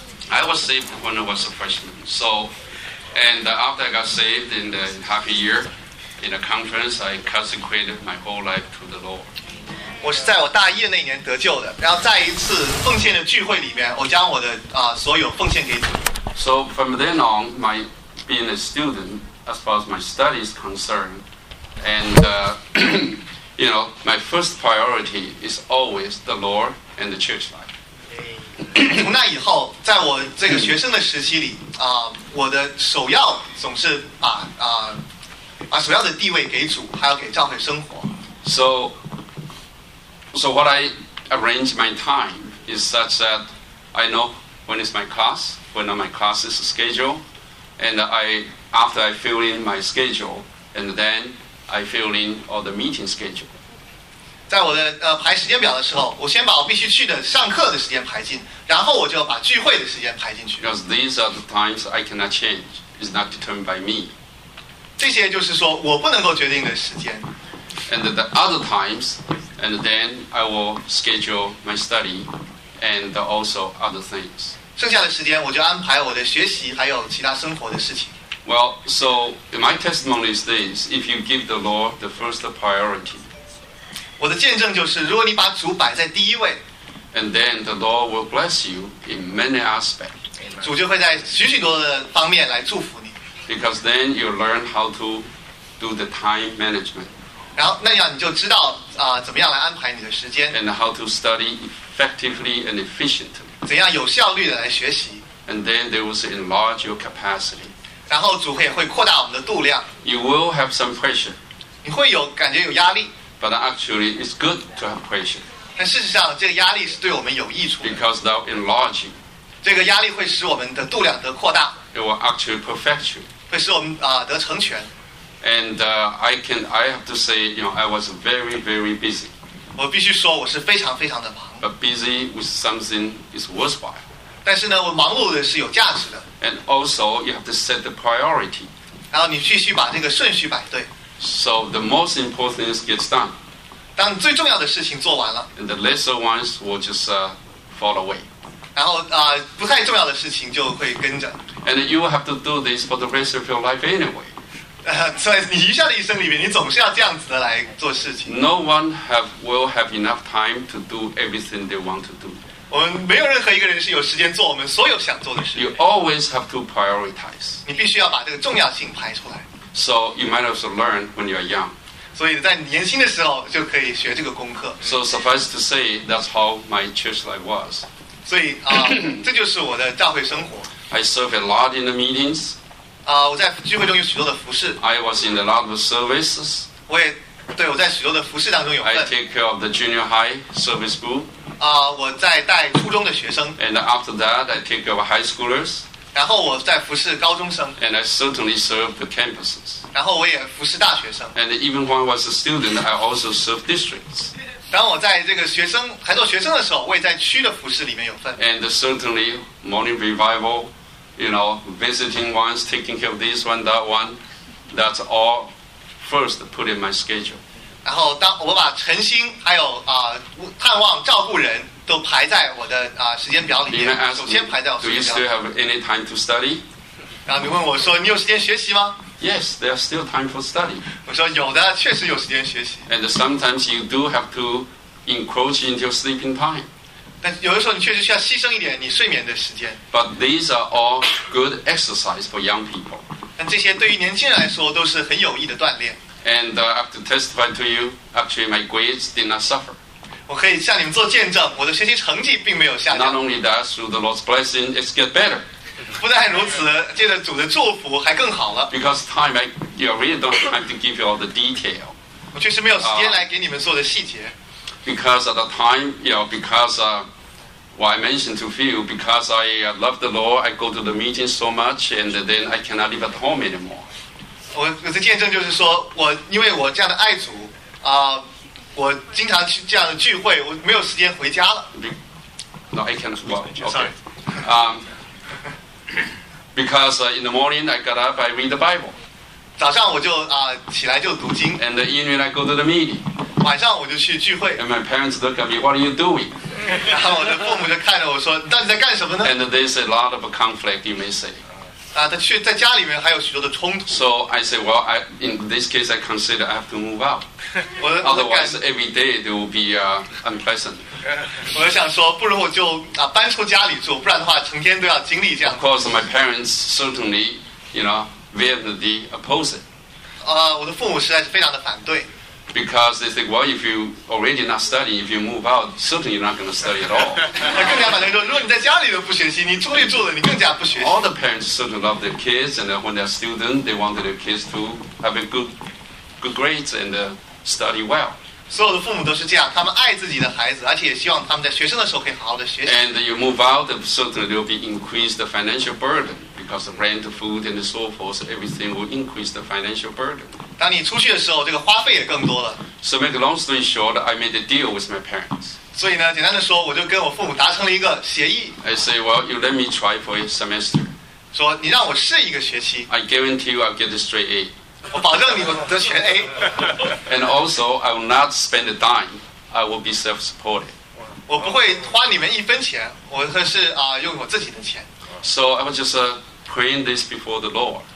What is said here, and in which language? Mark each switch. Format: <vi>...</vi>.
<en>I was saved when I was a freshman. So, and after I got saved in the half a year, in a conference, I consecrated my whole life to the Lord.</en> <zh>我是在我大一的那年得救的，然后在一次奉献的聚会里面，我将我的所有奉献给主。</zh> <en>So from then on, my being a student. As far as my study is concerned, and you know, my first priority is always the Lord and the church life.</en> <zh>从那以后，在我这个学生的时期里，我的首要总是把首要的地位给主，还要给教会生活。</zh> <en>So what I arrange my time is such that I know when is my class, when are my classes scheduled, and After I fill in my schedule, and then I fill in all the meeting schedule.</en> <zh>在我的排时间表的时候，我先把我必须去的上课的时间排进，然后我就把聚会的时间排进去。</zh> <en>Because these are the times I cannot change. It's not determined by me.</en> <zh>这些就是说我不能够决定的时间。</zh> <en>And the other times, and then I will schedule my study, and also other things.</en> <zh>剩下的时间我就安排我的学习还有其他生活的事情。</zh> <en>Well, so my testimony is this: if you give the Lord the first priority,</en> <zh>我的见证就是，如果你把主摆在第一位</zh> <en>，and then the Lord will bless you in many aspects.</en> <zh>主就会在许许多的方面来祝福你。</zh> <en>Because then you learn how to do the time management.</en> <zh>然后那样你就知道啊、怎么样来安排你的时间。</zh> <en>And how to study effectively and efficiently.</en> <zh>怎样有效率的来学习。</zh> <en>And then they will enlarge your capacity.</en> <zh>然后主也会扩大我们的度量。</zh> <en>You will have some pressure.</en> <zh>你会有感觉有压力。</zh> <en>But actually, it's good to have pressure.</en> <zh>但事实上，这个压力是对我们有益处的。</zh> <en>Because thou enlarging.</en> <zh>这个压力会使我们的度量得扩大。</zh> <en>It will actually perfect you.</en> <zh>会使我们啊、得成全。</zh> <en>And I have to say, you know, I was very, very busy.</en> <zh>我必须说，我是非常非常的忙。</zh> <en>But busy with something is worthwhile.</en> <zh>但是呢，我忙碌的是有价值的。</zh> <en>And also, you have to set the priority.</en> <zh>然后你必须把这个顺序摆对。</zh> <en>So the most important things get done.</en> <zh>当最重要的事情做完了</zh> <en>，and the lesser ones will just fall away.</en> <zh>然后啊、不太重要的事情就会跟着。</zh> <en>And you will have to do this for the rest of your life anyway.</en> <zh>在你余下的一生里面，你总是要这样子的来做事情。</zh> <en>No one will have enough time to do everything they want to do.</en> <zh>我们没有任何一个人是有时间做我们所有想做的事。</zh> <en>You always have to prioritize.</en> <zh>你必须要把这个重要性排出来。</zh> <en>So you might also learn when you are young.</en> <zh>所以在年轻的时候就可以学这个功课。</zh> <en>So suffice to say, that's how my church life was.</en> <zh>所以啊、这就是我的教会生活。</zh> <en>I serve a lot in the meetings.</en> <zh>啊、我在聚会中有许多的服事。</zh> <en>I was in a lot of services.</en> <zh>我也对我在许多的服事当中有份。</zh> <en>I take care of the junior high service group.</en> <zh>啊、我在带初中的学生。</zh> <en>And after that, I take care of high schoolers.</en> <zh>然后我在服侍高中生</zh> <en>and I certainly serve the campuses.</en> <zh>然后我也服侍大学生</zh> <en>and even when I was a student, I also served districts.</en> <zh>当我在这个学生还做学生的时候，我也在区的服侍里面有份</zh> <en>and certainly morning revival, you know, visiting ones, taking care of this one, that one, that's all first put in my schedule.</en> <zh>然后当我把晨兴还有啊、探望照顾人。都排在我的、时间表里面</zh> <en>ask,</en> <zh>首先排在我的时间表</zh> <en>Do you still have any time to study?</en> <zh>然后你问我说你有时间学习吗</zh> <en>Yes, there are still time for study</en> <zh>我说有的确实有时间学习</zh> <en>And sometimes you do have to encroach into your sleeping time</en> <zh>但有的时候你确实需要牺牲一点你睡眠的时间</zh> <en>But these are all good exercise for young people</en> <zh>但这些对于年轻人来说都是很有益的锻炼</zh> <en>And I have to testify to you Actually my grades did not suffer</en> <zh>我可以向你们做见证，我的学习成绩并没有下降。</zh> <en>Not only that, through the Lord's blessing, it's get better.</en> <zh>不但如此，借着主的祝福，还更好了。</zh> <en>Because time, you really don't have to give you all the detail.</en> <zh>我确实没有时间来给你们做的细节。</zh> <en>Because at the time, you know, because what I mentioned to you, because I love the Lord, I go to the meeting so much, and then I cannot live at home anymore.</en> <zh>我的见证就是说，我因为我这样的爱主啊。我经常去这样的聚会，我没有时间回家了。</zh> <en>No, I can't. Well, okay. Because in the morning I got up, I read the Bible.</en> <zh>早上我就啊、起来就读经。</zh> <en>And the evening I go to the meeting.</en> <zh>晚上我就去聚会。</zh> <en>And my parents look at me, "What are you doing?"</en> <zh>然后我的父母就看着我说，你到底在干什么呢</zh> <en>？And there's a lot of conflict, you may say.</en> <zh>啊、他去在家里面还有许多的冲突。</zh> <en>So I say, well, in this case, I consider I have to move out. Otherwise, every day it will be unpleasant.</en> <zh>我想说，不如我就啊搬出家里住，不然的话，成天都要经历这样。</zh> <en>Of course, my parents certainly, you know, vehemently oppose it.</en> <zh>啊、我的父母实在是非常的反对。</zh> <en>Because they think, well, if you already not studying, if you move out, certainly you're not going to study at all.</en> <zh>更加反对说，如果你在家里都不学习，你出去住了，你更加不学习。</zh> <en>All the parents certainly love their kids, and when they're student, they want their kids to have a good grades and study well.</en> <zh>所有的父母都是这样，他们爱自己的孩子，而且也希望他们在学生的时候可以好好的学习。</zh> <en>And you move out, certainly there will be increased financial burden. Because the rent, food, and so forth, everything will increase the financial burden.</en> <zh>当你出去的时候，这个花费也更多了。</zh> <en>So make a long story short, I made a deal with my parents.</en> <zh>所以呢，简单的说，我就跟我父母达成了一个协议。</zh> <en>I say, well, you let me try for a semester.</en> <zh>说你让我试一个学期。</zh> <en>I guarantee you, I'll get a straight A.</en> <zh>我保证你我得全 A.</zh> <en>And also, I will not spend a dime. I will be self-supported.</en> <zh>我不会花你们一分钱，我会是啊、用我自己的钱。</zh> <en>So I was just praying this before the Lord.</en>